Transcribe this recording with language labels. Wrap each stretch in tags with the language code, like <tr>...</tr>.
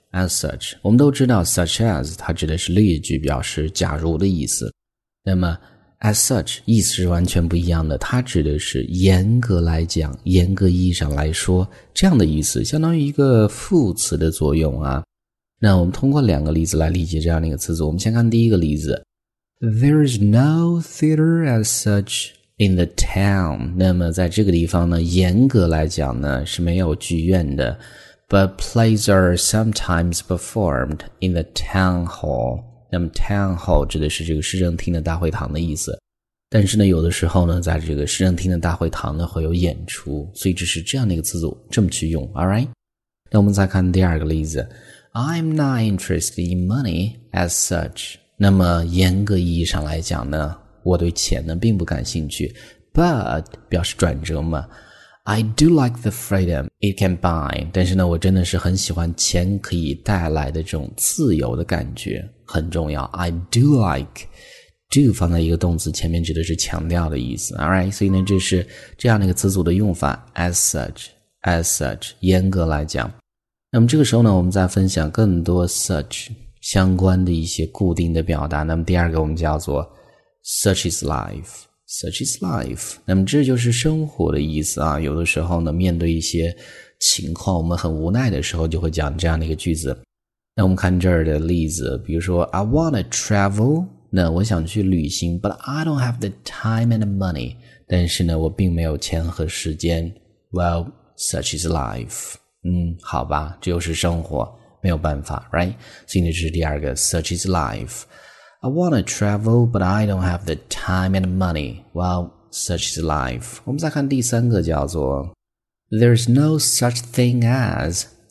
<zh>as such， 我们都知道 such as 它指的是例句，表示假如的意思。那么 as such 意思是完全不一样的，它指的是严格来讲、严格意义上来说这样的意思，相当于一个副词的作用啊。那我们通过两个例子来理解这样的一个词组。我们先看第一个例子。</zh> <en>There is no theater as such in the town.</en> <zh>那么在这个地方呢，严格来讲呢，是没有剧院的。</zh> <en>But plays are sometimes performed in the town hall.</en> <zh>那么 town hall 指的是这个市政厅的大会堂的意思。但是呢，有的时候呢，在这个市政厅的大会堂呢，会有演出。所以这是这样的一个词组，这么去用。</zh> <en>Alright?</en> <zh>那我们再看第二个例子。</zh> <en>I'm not interested in money as such.</en> <zh>那么严格意义上来讲呢，我对钱呢并不感兴趣。 But 表示转折嘛。</zh> <en>I do like the freedom it can buy.</en> <zh>但是呢，我真的是很喜欢钱可以带来的这种自由的感觉，很重要。</zh> <en>I do like.</en> <zh>Do 放在一个动词前面指的是强调的意思。</zh> <en>Alright,</en> <zh>所以呢，这是这样的一个词组的用法。 As such, 严格来讲。那么这个时候呢，我们再分享更多 such. 相关的一些固定的表达。那么第二个我们叫做 such is life。那么这就是生活的意思啊。有的时候呢，面对一些情况，我们很无奈的时候，就会讲这样的一个句子。那我们看这儿的例子，比如说</zh> <en>I wanna travel，</en> <zh>那我想去旅行 ，</zh> <en>but I don't have the time and the money。</en> <zh>但是呢，我并没有钱和时间。</zh> <en>Well, such is life。</en> <zh>嗯，好吧，这就是生活。没有办法 ，</zh> <en>right？</en> <zh>所以这是第二个 ，such is life。</zh> <en>I wanna travel, but I don't have the time and money. Well, such is life。</en> <zh>我们再看第三个，叫做</zh> <en>，There's no such thing as。</en>